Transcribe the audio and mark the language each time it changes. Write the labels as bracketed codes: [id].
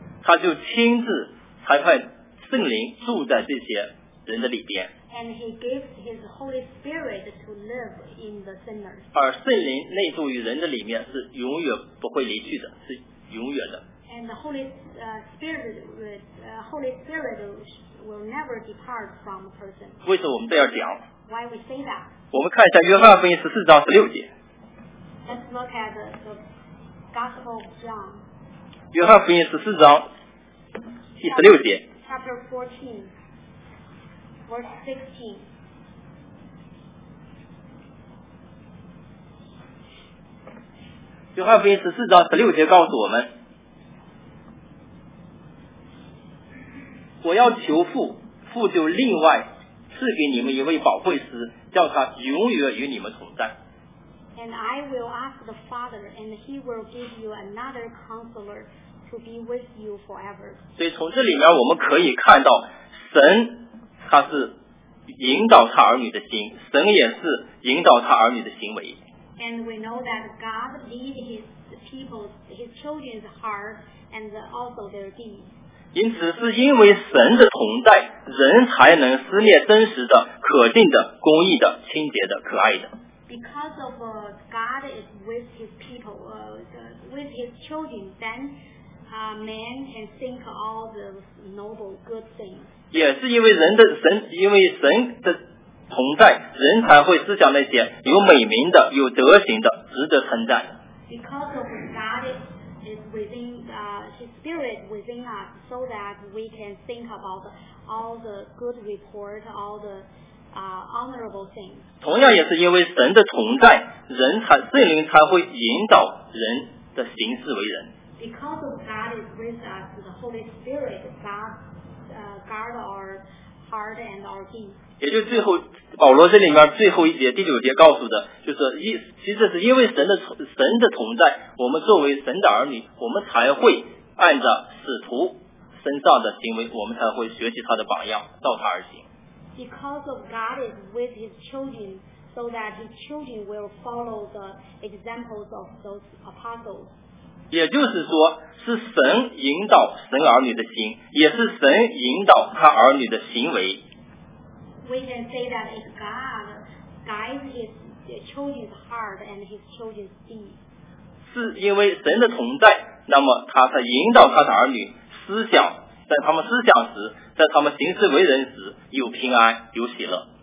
[zh] 他就亲自裁判圣灵住在这些人的里边。 [en] And He gives His Holy Spirit to live in the sinner. [zh] 而圣灵内住于人的里面是永远不会离去的，是永远的。 [en] And the Holy Spirit will never depart from a person. [zh] 为什么我们这样讲 [en] ？Why we say that? [zh] 我们看一下约翰福音十四章十六节。 [en] Let's look at the Gospel of John. [zh] 约翰福音十四章第十六节。 [en] Chapter 14, verse 16. [zh] 约翰福音十四章十六节告诉我们：我要求父，父就另外赐给你们一位保惠师，叫他永远与你们同在。 [en] And I will ask the Father, and He will give you another Counselor to be with you forever. [zh] 所以从这里面我们可以看到，神他是引导他儿女的心，神也是引导他儿女的行为。 [en] And we know that God leads His people, His children's heart, and also their deeds. [zh] 因此是因为神的同在，人才能思念真实的、可敬的、公义的、清洁的、可爱的。 [en] Because of God is with His people, with His children, then man and think all the noble good things. [zh] 也是因为人的神，因为神的存在，人才会思想那些有美名的、有德行的、值得称赞。 [en] Because of God is within, His Spirit within us, so that we can think about all the good report, all the honorable things. [zh] 同样也是因为神的存在，人才圣灵才会引导人的行事为人。 [en] Because of God is with us, the Holy Spirit God, guard our heart and our deeds. [zh] 也就最后保罗这里面最后一节第九节告诉的，就是其实是因为神的存在，我们作为神的儿女，我们才会按照使徒身上的行为，我们才会学习他的榜样，照他而行。 [en] Because of God is with his children, so that his children will follow the examples of those apostles. [zh] 也就是说是神引导神儿女的心，也是神引导他儿女的行为。 [en] We can say that if God guides his children's heart and his children's deeds. [zh] 是因为神的同在，那么他才引导他的儿女思想，在他们思想时，在他们行事为人时，有平安，有喜乐。